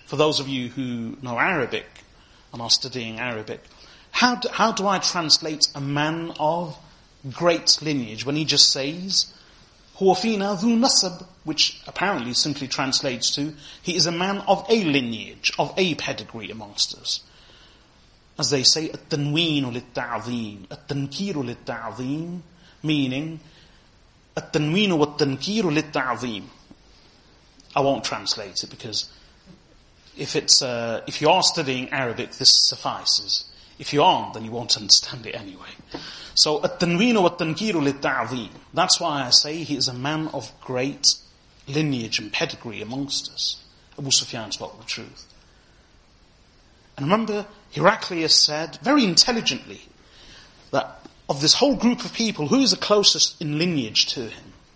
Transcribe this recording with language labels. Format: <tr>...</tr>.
<en>For those of you who know Arabic and are studying Arabic, How do I translate a man of great lineage when he just says,</en> <ar>هُوَ فِينَا ذُو نَسَبْ,</ar> <en>which apparently simply translates to, he is a man of a lineage, of a pedigree amongst us.</en> <ar>As they say, التنوين للتعظيم, التنكير للتعظيم, meaning التنوين والتنكير للتعظيم.</ar> <en>I won't translate it because if you are studying Arabic, this suffices. If you aren't, then you won't understand it anyway.</en> <ar>So التنوين والتنكير للتعظيم.</ar> <en>That's why I say he is a man of great lineage and pedigree amongst us. Abu Sufyan spoke the truth. And remember, Heraclius said, very intelligently, that of this whole group of people, who is the closest in lineage to him?</en>